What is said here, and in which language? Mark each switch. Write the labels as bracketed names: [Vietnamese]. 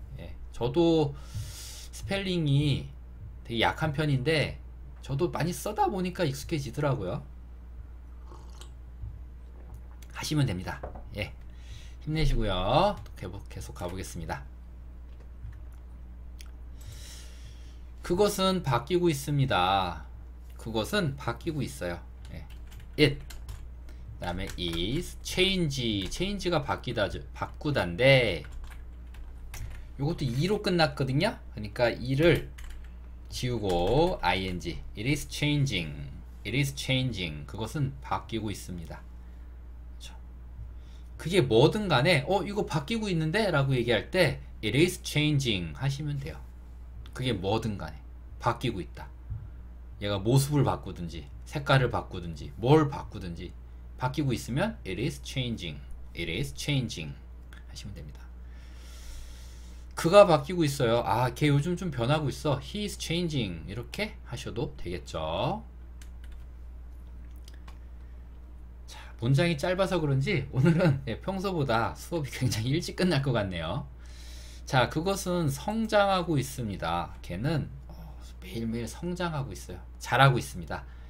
[Korean] 예, 저도 스펠링이 되게 약한 편인데, 저도 많이 써다 보니까 익숙해지더라고요. 하시면 됩니다. 예. 힘내시고요. 계속 가보겠습니다. 그것은 바뀌고 있습니다. 그것은 바뀌고 있어요. 예. It. 그다음에 is change. change가 바꾸다인데, 이것도 이로 끝났거든요? 그러니까 이를 지우고 ing. [English] It is changing. It is changing. [Korean] 그것은 바뀌고 있습니다. 그게 뭐든 간에 이거 바뀌고 있는데? 라고 얘기할 때 [English] It is changing [Korean] 하시면 돼요. 그게 뭐든 간에 바뀌고 있다. 얘가 모습을 바꾸든지 색깔을 바꾸든지 뭘 바꾸든지 바뀌고 있으면 [English] It is changing. It is changing [Korean] 하시면 됩니다. 그가 바뀌고 있어요. 아, 걔 요즘 좀 변하고 있어. [English] He is changing. [Korean] 이렇게 하셔도 되겠죠. 자, 문장이 짧아서 그런지 오늘은 평소보다 수업이 굉장히 일찍 끝날 것 같네요. 자, 그것은 성장하고 있습니다. 걔는 매일매일 성장하고 있어요. 잘하고 있습니다.